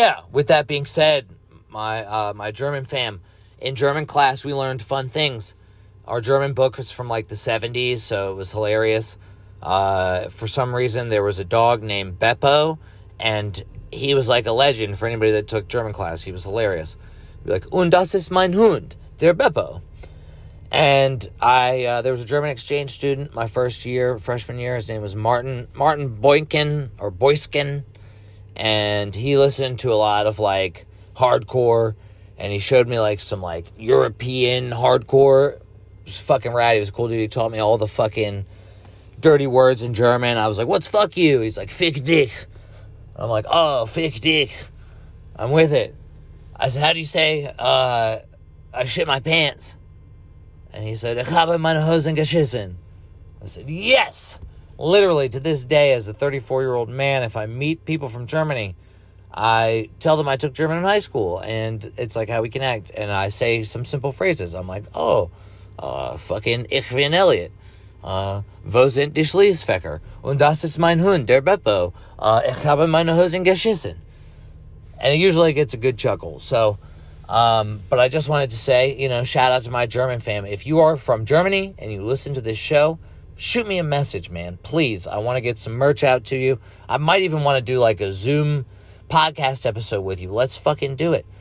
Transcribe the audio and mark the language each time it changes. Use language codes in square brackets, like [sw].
[en] With that being said, my German fam, in German class, we learned fun things. Our German book was from like the 70s, so it was hilarious. For some reason, there was a dog named Beppo, and he was like a legend for anybody that took German class. He was hilarious. He'd be like, [de] "Und das ist mein Hund, der Beppo." [en] And there was a German exchange student my first year, freshman year. His name was Martin Boykin or Boyskin. And he listened to a lot of like hardcore. And he showed me like some like European hardcore. It was fucking rad. He was a cool dude. He taught me all the fucking dirty words in German. I was like, what's fuck you? He's like, [de] fick dick. [en] I'm like, oh, [de] fick dick. [en] I'm with it. I said, how do you say, I shit my pants? And he said, [de] ich habe meine Hosen geschissen. [en] I said, yes. Literally, to this day, as a 34-year-old man, if I meet people from Germany, I tell them I took German in high school, and it's like how we connect, and I say some simple phrases. I'm like, oh, fucking [de] ich bin Elliot. Wo sind die Schließfächer? Und das ist mein Hund, der Beppo. Ich habe meine Hosen geschissen. [en] And it usually gets a good chuckle, so... but I just wanted to say, you know, shout out to my German fam. If you are from Germany and you listen to this show, shoot me a message, man. Please. I want to get some merch out to you. I might even want to do like a Zoom podcast episode with you. Let's fucking do it.